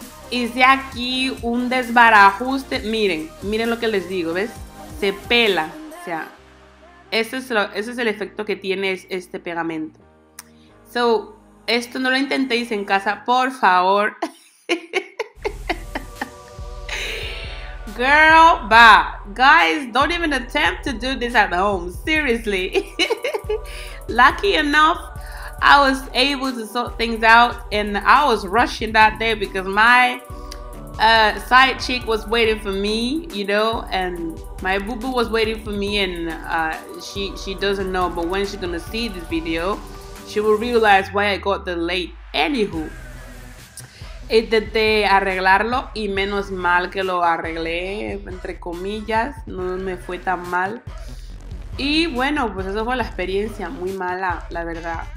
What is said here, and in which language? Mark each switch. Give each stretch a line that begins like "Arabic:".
Spanish: Hice aquí un desbarajuste. Miren, miren lo que les digo, ¿ves? Se pela. O sea, ese es el efecto que tiene este pegamento. So, esto no lo intentéis en casa, por favor.
English: Girl,
Spanish: va.
English: Guys, don't even attempt to do this at home. Seriously. Lucky enough, I was able to sort things out, and I was rushing that day because my side cheek was waiting for me, you know, and my boo-boo was waiting for me, and she doesn't know, but when she's gonna see this video, she will realize why I got delayed.
Spanish: Anywho, intenté arreglarlo y menos mal que lo arreglé, entre comillas, no me fue tan mal. Y bueno, pues eso fue la experiencia, muy mala, la verdad.